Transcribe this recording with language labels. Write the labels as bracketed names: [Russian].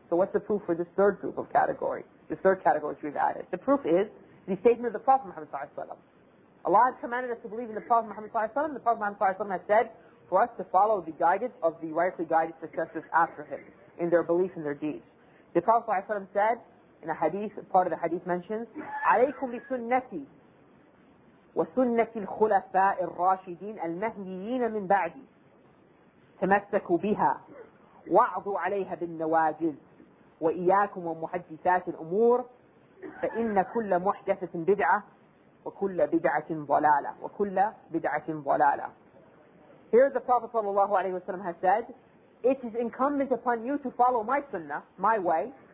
[English] So what's the proof for this third group of category, this third category which we've added? The proof is the statement of the Prophet Muhammad sallallahu alayhi wa sallam. Allah has commanded us to believe in the Prophet Muhammad sallallahu alayhi wa sallam. The Prophet Muhammad sallallahu alayhi wa sallam has said for us to follow the guidance of the rightly guided successors after him in their belief and their deeds. [Arabic] The Prophet sallallahu alayhi wa sallam said in a hadith, part of the hadith mentions, عَلَيْكُمْ بِسُنَّتِي وَسُنَّتِ الْخُلَفَاءِ الرَّاشِدِينَ الْمَهْدِيِّينَ مِنْ بَعْدِي تَمَسَّكُوا بِهَا وَعْضُوا عَلَيْهَا بِالنَّوَاجِذِ وَإِيَّاكُمْ وَمُحَدِّثَاتِ الْأُمُورِ فَإِنَّ كُلَّ مُحْدَثَةٍ بِدْعَةٍ وَكُلَّ بِدْعَةٍ ضَلَالَةٍ وَكُلَّ بِدْعَةٍ ضَلَالَةٍ. [English] Here the Prophet sallallahu alayhi wa sallam has said, it is incumbent upon you to follow my sunnah, my way.